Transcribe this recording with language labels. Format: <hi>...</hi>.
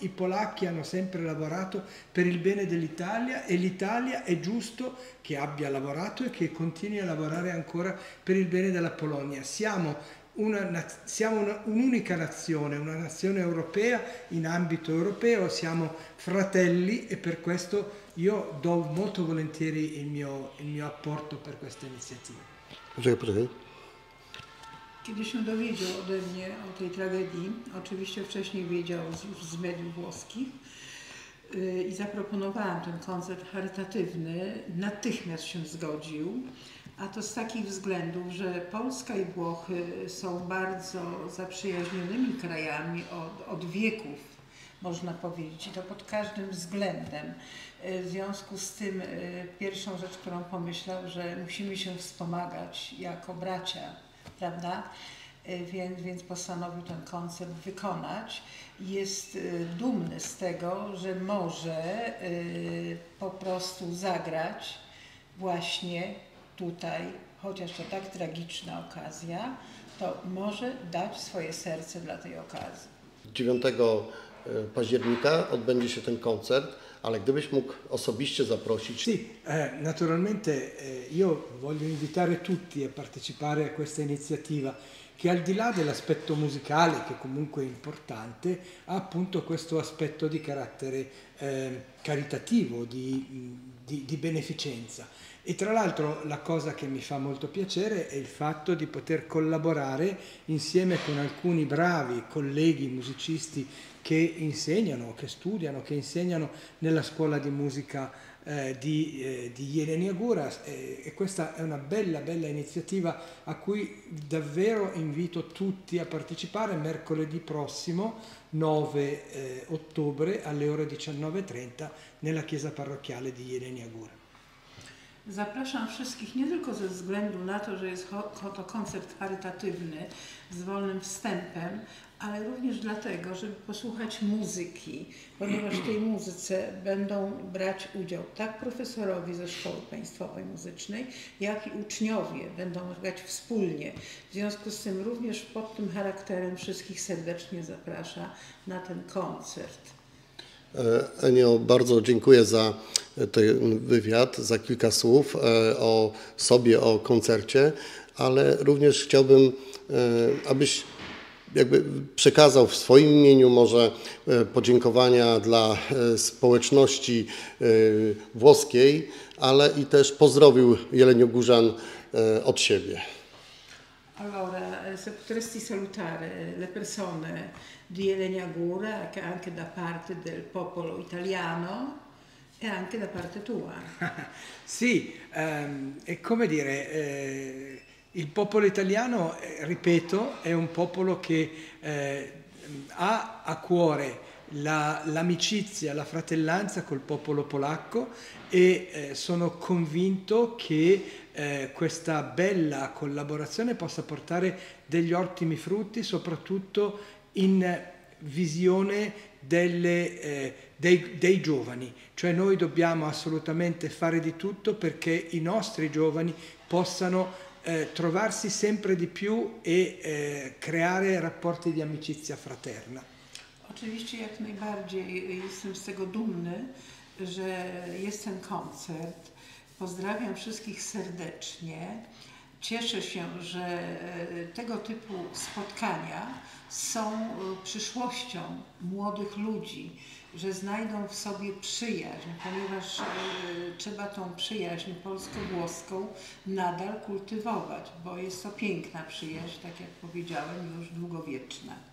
<it>I polacchi hanno sempre lavorato per il bene dell'Italia e l'Italia è giusto che abbia lavorato e che continui a lavorare ancora per il bene della Polonia. Siamo un'unica nazione, una nazione europea in ambito europeo, siamo fratelli e per questo io do molto volentieri il mio apporto per questa iniziativa.</it> <pl>Kiedy się dowiedział ode mnie o tej tragedii, oczywiście wcześniej wiedział już z mediów włoskich i zaproponowałam ten koncert charytatywny, natychmiast się zgodził, a to z takich względów, że Polska i Włochy są bardzo zaprzyjaźnionymi krajami od wieków, można powiedzieć, i to pod każdym względem. W związku z tym pierwszą rzecz, którą pomyślał, że musimy się wspomagać jako bracia, prawda? Więc postanowił ten koncert wykonać. Jest dumny z tego, że może po prostu zagrać właśnie tutaj, chociaż to tak tragiczna okazja, to może dać swoje serce dla tej okazji. 9 października odbędzie się ten koncert, ale gdybyś mógł osobiście zaprosić...</pl> <it>Sì, naturalmente io voglio invitare tutti a partecipare a questa iniziativa che al di là dell'aspetto musicale, che comunque è importante, ha appunto questo aspetto di carattere caritativo, di beneficenza. E tra l'altro la cosa che mi fa molto piacere è il fatto di poter collaborare insieme con alcuni bravi colleghi musicisti che insegnano, che studiano, che insegnano nella scuola di musica di Jeleni Agura, e questa è una bella, bella iniziativa a cui davvero invito tutti a partecipare mercoledì prossimo 9 ottobre alle ore 19:30 nella chiesa parrocchiale di Jeleni Agura.</it> <pl>Zapraszam wszystkich nie tylko ze względu na to, że jest to koncert charytatywny z wolnym wstępem, ale również dlatego, żeby posłuchać muzyki, ponieważ w tej muzyce będą brać udział tak profesorowie ze Szkoły Państwowej Muzycznej, jak i uczniowie będą grać wspólnie. W związku z tym również pod tym charakterem wszystkich serdecznie zaprasza na ten koncert. Enio, bardzo dziękuję za ten wywiad, za kilka słów o sobie, o koncercie, ale również chciałbym, abyś jakby przekazał w swoim imieniu może podziękowania dla społeczności włoskiej, ale i też pozdrowił Jeleniogórzan od siebie.</pl> <it>Allora, se potresti salutare le persone di Jelenia Góra anche da parte del popolo italiano e anche da parte tua. Sì, è come dire, il popolo italiano, ripeto, è un popolo che ha a cuore l'amicizia, la fratellanza col popolo polacco e sono convinto che questa bella collaborazione possa portare degli ottimi frutti, soprattutto in visione dei giovani. Cioè noi dobbiamo assolutamente fare di tutto perché i nostri giovani possano trovarsi sempre di più e creare rapporti di amicizia fraterna.</it> <pl>Oczywiście jak najbardziej jestem z tego dumny, że jest ten koncert. Pozdrawiam wszystkich serdecznie. Cieszę się, że tego typu spotkania są przyszłością młodych ludzi, że znajdą w sobie przyjaźń, ponieważ trzeba tą przyjaźń polsko-włoską nadal kultywować, bo jest to piękna przyjaźń, tak jak powiedziałem, już długowieczna.</pl>